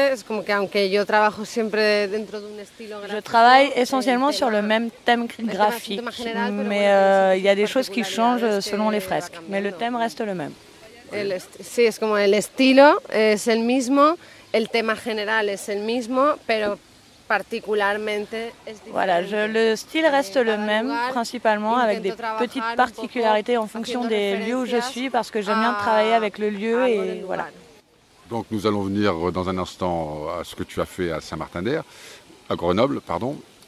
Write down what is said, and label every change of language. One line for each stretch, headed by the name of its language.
French: Je travaille essentiellement sur le même thème graphique, mais il y a des choses qui changent selon les fresques. Mais le thème reste le même.
Spanish: Sí, es como el estilo es el mismo, el tema general es el mismo, pero particularmente.
French: Voilà, le style reste le même principalement, avec des petites particularités en fonction des lieux où je suis, parce que j'aime bien travailler avec le lieu et voilà. Donc nous allons venir dans un instant à ce que tu as fait à Saint-Martin-d'Air, à Grenoble, pardon.